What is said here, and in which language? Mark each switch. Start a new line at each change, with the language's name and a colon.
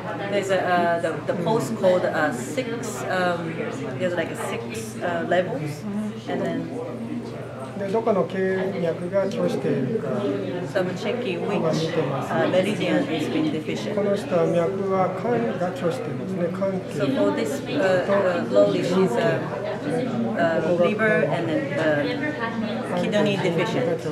English: There's a the pulse called a six there's like a six levels and then
Japanese: でどこの経脈が拒しているか。
English: So I'm checking which meridian is being deficient.
Japanese: この人は脈は肝が拒してますね。肝系。
English: So for this lady, she's a liver and then kidney deficient.